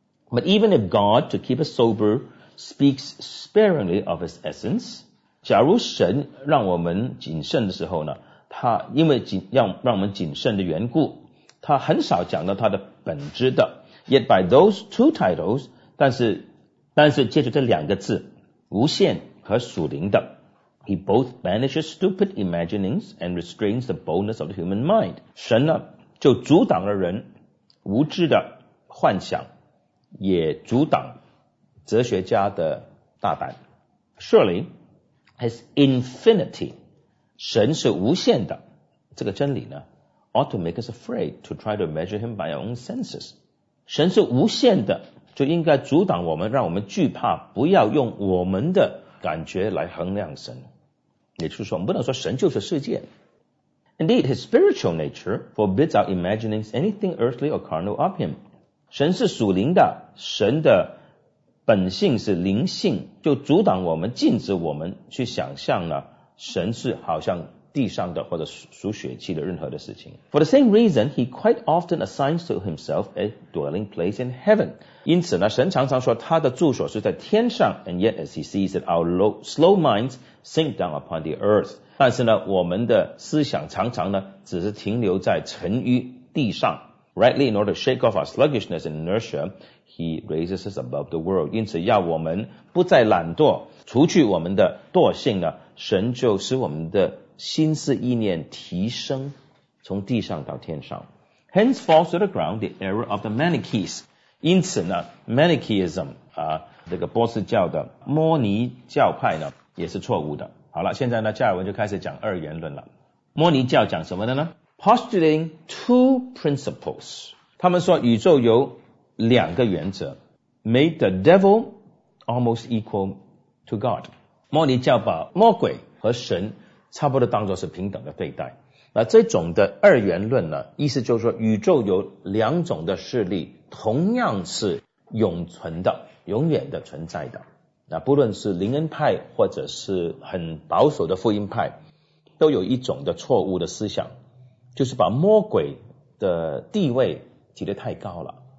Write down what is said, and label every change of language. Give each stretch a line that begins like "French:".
English: But even if God, to keep us sober, speaks sparingly of his essence,
Chinese: 假如神让我们谨慎的时候呢，他因为让我们谨慎的缘故，他很少讲到他的本质的。
English: Yet by those two titles,
Chinese: 但是借助这两个字，无限和属灵的，
English: He both banishes stupid imaginings and restrains the boldness of the human mind.
Chinese: 神呢，就阻挡了人无知的幻想，也阻挡哲学家的大胆。
English: Surely, his infinity,
Chinese: 神是无限的，这个真理呢
English: ought to make us afraid to try to measure him by our own senses.
Chinese: 神是无限的，就应该阻挡我们，让我们惧怕，不要用我们的感觉来衡量神。也就是说，我们不能说神就是世界。
English: Indeed, his spiritual nature forbids our imaginings anything earthly or carnal of him.
Chinese: 神是属灵的，神的本性是灵性，就阻挡我们，禁止我们去想象呢，神是好像地上的或者属血气的任何的事情。
English: For the same reason, he quite often assigns to himself a dwelling place in heaven.
Chinese: 因此呢，神常常说他的住所是在天上。
English: And yet, as he sees that our slow minds sink down upon the earth,
Chinese: 但是呢，我们的思想常常呢，只是停留在沉于地上。
English: Rightly, in order to shake off our sluggishness and inertia, he raises us above the world.
Chinese: 因此要我们不再懒惰，除去我们的惰性呢，神就使我们的心思意念提升，从地上到天上。
English: Hence falls to the ground the error of the Manichees.
Chinese: 因此呢 ,Manichaeism, 啊这个波斯教的摩尼教派呢也是错误的。好了，现在呢加尔文就开始讲二元论了。摩尼教讲什么的呢？
English: Postulating two principles.
Chinese: 他们说宇宙有两个原则，
English: made the devil almost equal to God.
Chinese: 摩尼教把魔鬼和神差不多当作是平等的对待。那这种的二元论呢，意思就是说宇宙有两种的势力同样是永存的，永远的存在的。那不论是灵恩派或者是很保守的福音派，都有一种的错误的思想，就是把魔鬼的地位提得太高了。